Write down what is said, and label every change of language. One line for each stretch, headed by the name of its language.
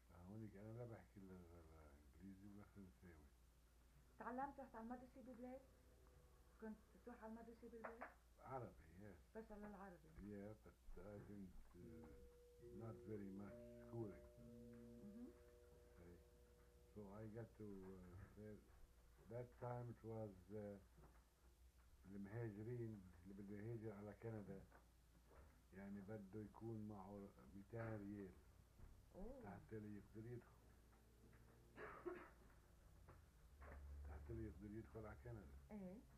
Arabic: هونيك أنا لا بحكي للإنجليزي ولا فرنساوي. تعلمت رحت على المدرسة بالبلاد؟ كنت تروح على المدرسة بالبلاد؟ عربي
English: yes.
Arabic: بس على العربي.
English: Yeah but I didn't not very much schooling. Okay. So I got to that time it was
Arabic: المهاجرين اللي بده يهاجر على كندا يعني بده يكون معه 200 ريال. تحت اللي يقدر يدخل تحت اللي يقدر يدخل على كندا